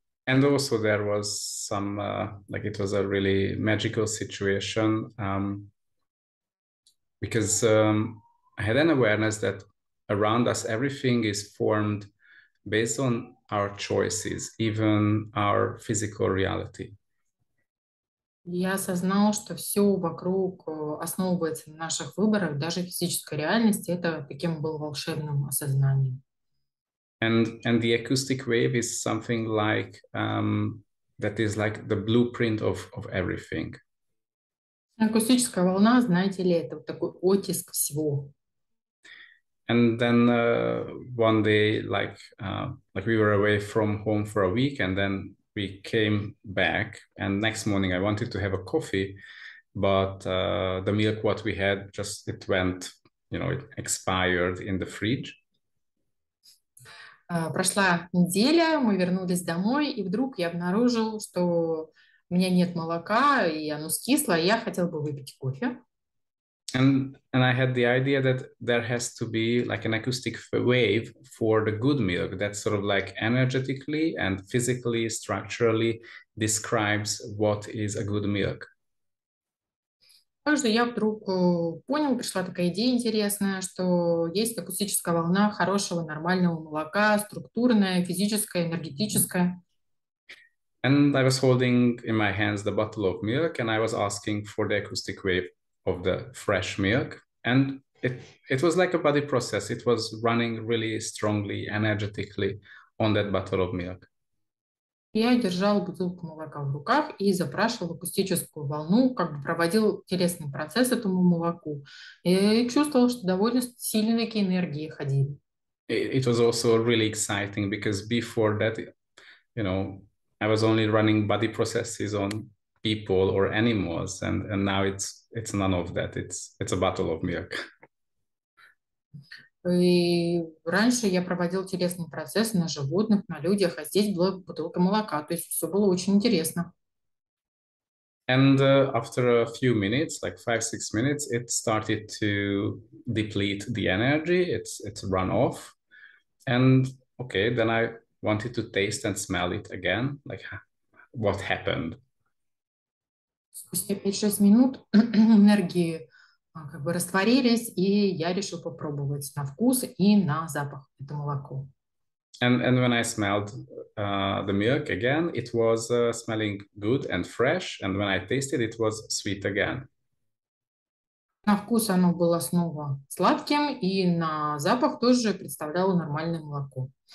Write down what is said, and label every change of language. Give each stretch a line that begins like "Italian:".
English: And also there was some like it was a really magical situation because I had an awareness that around us everything is formed based on our choices, even our physical reality.
Russian: Я осознал, что все вокруг основывается на наших выборах, даже физической реальности. Это таким был волшебным осознанием.
English: And the acoustic wave is something like that is like the blueprint of everything.
Russian: Акустическая волна, знаете ли, это такой оттиск всего.
English: And then one day, like we were away from home for a week, and then we came back. And next morning, I wanted to have a coffee, but the milk what we had just it went, you know, it expired in the fridge.
Russian: Прошла неделя, мы вернулись домой, и вдруг я обнаружил, что у меня нет молока, и оно скисло, и я хотел бы выпить кофе.
English: And I had the idea that there has to be like an acoustic wave for the good milk that sort of like energetically and physically, structurally describes what is a good milk.
Russian: Я вдруг понял, пришла такая идея интересная, что есть акустическая волна хорошего, нормального молока, структурная, физическая, энергетическая.
English: And I was holding in my hands the bottle of milk and I was asking for the acoustic wave of the fresh milk. And it was like a body process. It was running really strongly, energetically on that bottle of milk.
Russian: Я держал бутылку молока в руках и запрашивал акустическую волну, как бы проводил телесный процесс этому молоку. И чувствовал, что довольно сильные энергии ходили.
English: It was also really exciting because before that, you know, I was only running body processes on people or animals, and now it's none of that. It's a bottle of milk.
Russian: И раньше я проводил телесный процесс на животных, на людях, а здесь была бутылка молока. То есть все было очень интересно.
English: And after a few minutes, like 5-6 minutes, it started to deplete the energy. It's run off. And okay, then I wanted to taste and smell it again. Like, what happened?
Russian: Спустя 5-6 минут энергии как бы растворились, и я решил попробовать на вкус и на запах это молоко.
English: And when I smelled the milk again, it was smelling good and fresh, and when I tasted it was sweet again.
Russian: На вкус оно было снова сладким, и на запах тоже представляло нормальное молоко.